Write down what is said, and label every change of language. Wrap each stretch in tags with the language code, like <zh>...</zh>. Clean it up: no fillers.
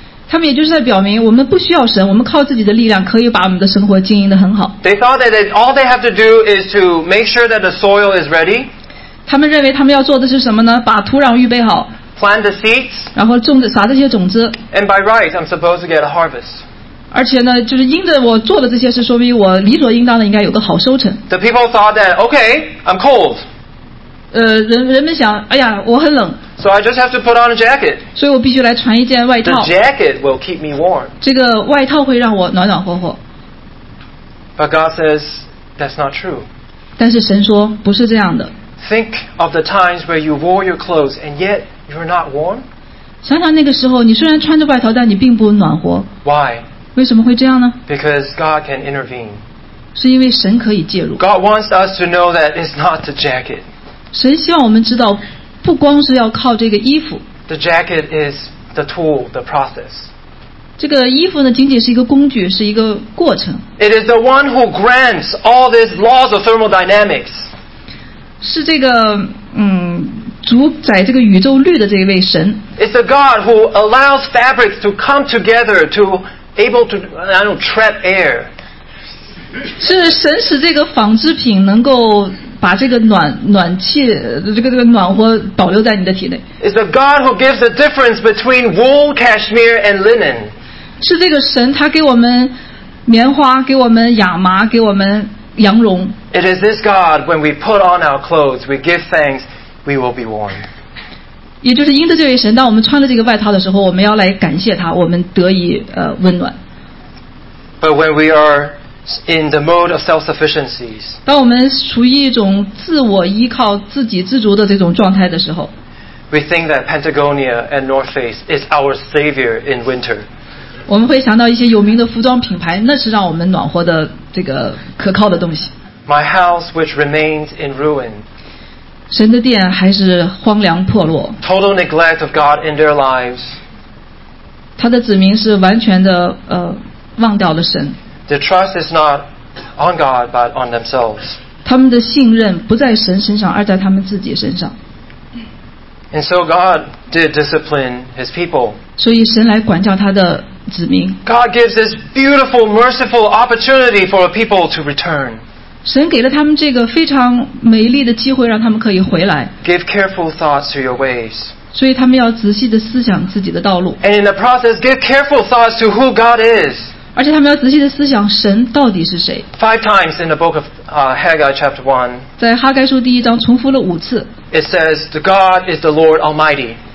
<zh>他们也就是在表明我们不需要神，我们靠自己的力量可以把我们的生活经营得很好。</zh> <en>They thought that all they have to do is to make sure that the soil is ready.</en> <zh>他们认为他们要做的是什么呢？把土壤预备好。</zh> <en>Plant the seeds.</en> <zh>然后种撒这些种子。</zh> <en>And by right, I'm supposed to get a harvest.</en> <zh>而且呢，就是因着我做的这些事，说明我理所应当的应该有个好收成。</zh> <en>The people thought that, okay, I'm cold.</en> <zh>人们想，哎呀，我很冷。</zh> <en>So I just have to put on a jacket.</en> <zh>所以我必须来穿一件外套。</zh> <en>The jacket will keep me warm.</en> <zh>这个外套会让我暖暖和和。</zh> <en>But God says that's not true.</en> <zh>但是神说不是这样的。</zh> <en>Think of the times where you wore your clothes and yet you're not warm.</en> <zh>想想那个时候，你虽然穿着外套，但你并不暖和。</zh> <en>Why?</en> <zh>为什么会这样呢？</zh> <en>Because God can intervene.</en> <zh>是因为神可以介入。</zh> <en>God wants us to know that it's not the jacket.</en> <zh>神希望我们知道，不光是要靠这个衣服。</zh> <en>The jacket is the tool, the process.</en> <zh>这个衣服呢，仅仅是一个工具，是一个过程。</zh> <en>It is the one who grants all these laws of thermodynamics.</en> <zh>是这个主宰这个宇宙律的这位神。</zh> <en>It's the God who allows fabrics to come together to able to trap air.</en> <zh>是神使这个纺织品能够。把这个 暖气这个暖和保留在你的体内。</zh> <en>It's the God who gives the difference between wool, cashmere, and linen.</en> <zh>是这个神，他给我们棉花，给我们亚麻，给我们羊绒。</zh> <en>It is this God when we put on our clothes, we give thanks, we will be warm.</en> <zh>也就是因着这位神，当我们穿了这个外套的时候，我们要来感谢他，我们得以温暖。</zh> <en>But when we are in the mode of self-sufficiencies.</en> <zh>当我们处于一种自我依靠、自给自足的这种状态的时候，</zh> <en>we think that Patagonia and North Face is our savior in winter.</en> <zh>我们会想到一些有名的服装品牌，那是让我们暖和的这个可靠的东西。</zh> <en>My house, which remains in ruin.</en> <zh>神的殿还是荒凉破落。</zh> <en>Total neglect of God in their lives.</en> <zh>他的子民是完全的忘掉了神。</zh> <en>Their trust is not on God, but on themselves.</en> <zh>他们的信任不在神身上，而在他们自己身上。</zh> <en>And so God did discipline His people.</en> <zh>所以神来管教他的子民。</zh> <en>God gives this beautiful, merciful opportunity for a people to return.</en> <zh>神给了他们这个非常美丽的机会，让他们可以回来。</zh> <en>Give careful thoughts to your ways.</en> <zh>所以他们要仔细地思想自己的道路。</zh> <en>And in the process, give careful thoughts to who God is.</en> <zh>而且他们要仔细地思想神到底是谁。</zh> <en>Five times in the book of Haggai chapter 1,</en> <zh>在哈该书第一章重复了五次。</zh> <en>It says, the God is the Lord Almighty.</en>